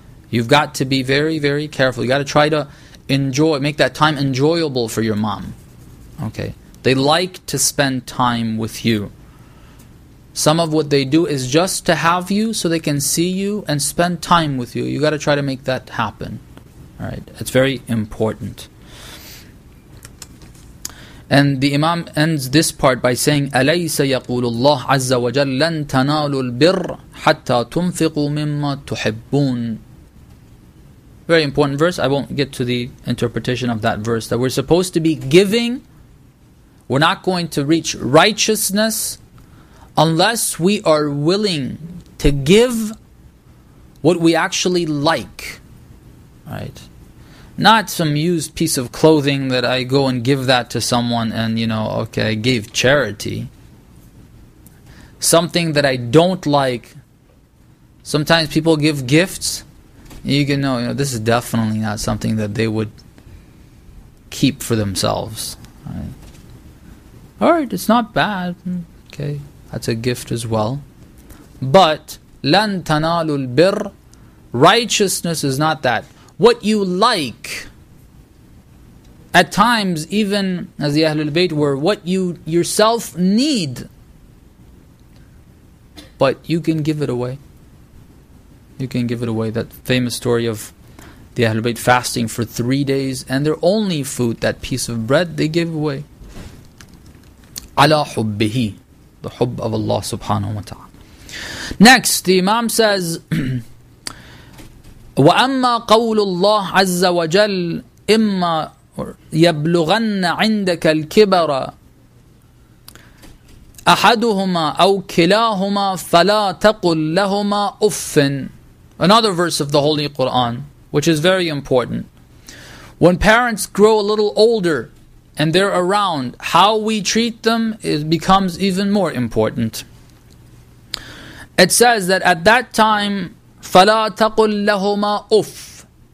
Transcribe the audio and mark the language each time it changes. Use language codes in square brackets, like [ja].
[en] You've got to be very, very careful. You got to try to enjoy, make that time enjoyable for your mom, okay? They like to spend time with you. Some of what they do is just to have you so they can see you and spend time with you. You got to try to make that happen. All right. It's very important. And the Imam ends this part by saying, [ar] أَلَيْسَ يَقُولُ اللَّهُ عَزَّ وَجَلَّ لَن تَنَالُوا الْبِرَّ حَتَّى تُنْفِقُوا مِمَّا تُحِبُّونَ. [en] Very important verse. I won't get to the interpretation of that verse. That we're supposed to be giving. We're not going to reach righteousness unless we are willing to give what we actually like. Right? Not some used piece of clothing that I go and give that to someone and, you know, okay, I gave charity. Something that I don't like. Sometimes people give gifts. You can know, you know, this is definitely not something that they would keep for themselves. Alright, it's not bad. Okay, that's a gift as well. But, [ar] لَن تَنَالُوا الْبِرَّ. [en] Righteousness is not that. What you like, at times, even as the Ahlul Bayt were, what you yourself need, but you can give it away. You can give it away. That famous story of the Ahlul Bayt fasting for 3 days, and their only food, that piece of bread, they gave away. [ar] عَلَى حُبِّهِ. [en] The hub of [ar] Allah subhanahu wa ta'ala. [en] Next, the Imam says, [ar] وَأَمَّا قَوْلُ اللَّهِ عَزَّ وَجَلَّ إِمَّا يَبْلُغَنَّ عِنْدَكَ الْكِبَرَ أَحَدُهُمَا أَوْ كِلَاهُمَا فَلَا تَقُلْ لَهُمَا أُفٍّ. [en] Another verse of the Holy Quran, which is very important. When parents grow a little older and they're around, how we treat them, it becomes even more important. It says that at that time, [ar] فَلَا تَقُلْ لَهُمَا أُفْ.